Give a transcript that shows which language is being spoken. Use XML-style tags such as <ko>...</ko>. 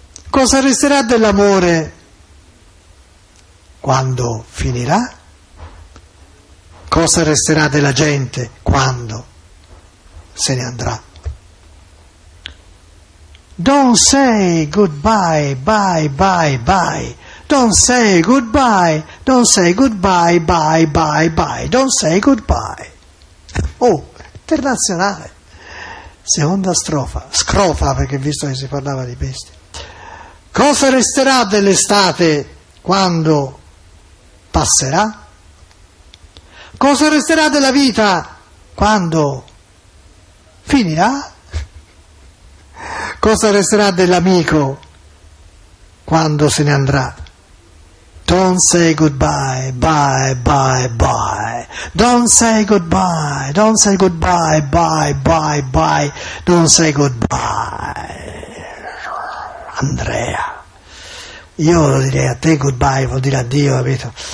<it>Cosa resterà dell'amore quando finirà? Cosa resterà della gente quando se ne andrà?</it> <en>Don't say goodbye, bye, bye, bye. Don't say goodbye, don't say goodbye, bye, bye, bye. Don't say goodbye. Oh, internazionale.</en> <it>Seconda strofa, scrofa, perché visto che si parlava di bestie. Cosa resterà dell'estate quando passerà? Cosa resterà della vita quando finirà? Cosa resterà dell'amico quando se ne andrà?</it> <en>Don't say goodbye, bye, bye, bye. Don't say goodbye, don't say goodbye, bye, bye, bye. Don't say goodbye.</en> <it>Andrea, io lo direi a te goodbye, vuol dire addio, capito?</it>